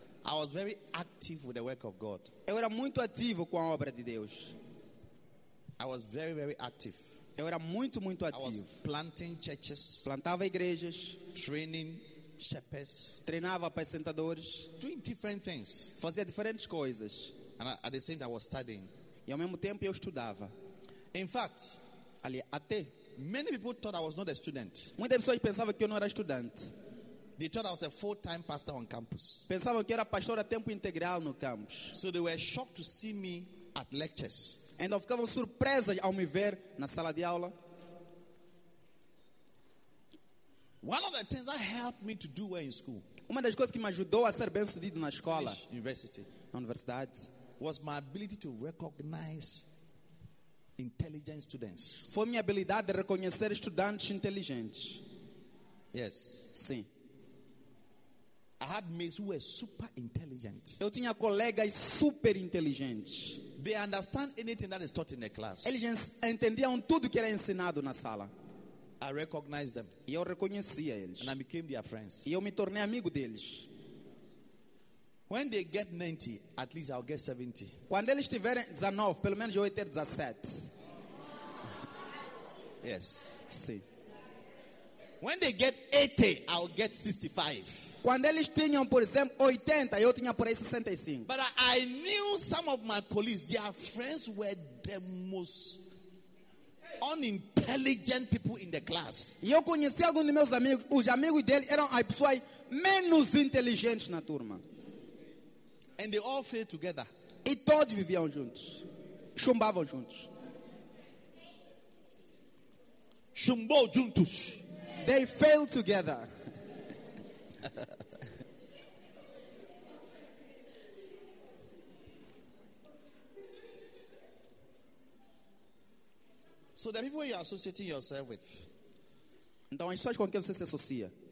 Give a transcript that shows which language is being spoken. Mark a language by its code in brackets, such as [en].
[en] I was very active with the work of God. [pt] Eu era muito ativo com a obra de Deus. [en] I was very, very active. [pt] Eu era muito, muito ativo. [en] I was planting churches. [pt] Plantava igrejas. [en] Training shepherds. [pt] Treinava apacentadores. [en] Doing different things. [pt] Fazia diferentes coisas. [en] And at the same time, I was studying. [pt] E ao mesmo tempo eu estudava. [en] In fact, [pt] ali até [en] many people thought I was not a student. [pt] Muitas pessoas pensavam que eu não era estudante. [en] They thought I was a full-time pastor on campus. [pt] Pensavam que era pastor a tempo integral no campus. [en] So they were shocked to see me at lectures. [pt] Então ficavam surpresas ao me ver na sala de aula. [en] One of the things that helped me to do well in school. [pt] Uma das coisas que me ajudou a ser bem-sucedido na escola, [en] university, [pt] na universidade, [en] was my ability to recognize intelligent students. [pt] Foi minha habilidade de reconhecer estudantes inteligentes. [en] Yes. [pt] Sim. [en] I had mates who were super intelligent. [pt] Eu tinha colegas super inteligentes. [en] They understand anything that is taught in the class. [pt] Eles entendiam tudo que era ensinado na sala. [en] I recognized them. [pt] E eu reconhecia eles. [en] And I became their friends. [pt] E eu me tornei amigo deles. [en] When they get 90, at least I'll get 70. [pt] Quando eles tiverem 19, pelo menos eu vou ter 17. [en] Yes. [pt] Sim. [en] When they get 80, I'll get 65. [pt] Quando eles tinham, por exemplo, 80, eu tinha por aí 65. [en] But I knew some of my colleagues, their friends were the most unintelligent people in the class. [pt] E eu conheci alguns dos meus amigos, os amigos dele eram as pessoas menos inteligentes na turma. [en] And they all failed together. [pt] E todos viviam juntos. Chumbavam juntos. Chumbou juntos. [en] They failed together. So the people you are associating yourself with. [pt] Então, as pessoas com quem você se associa.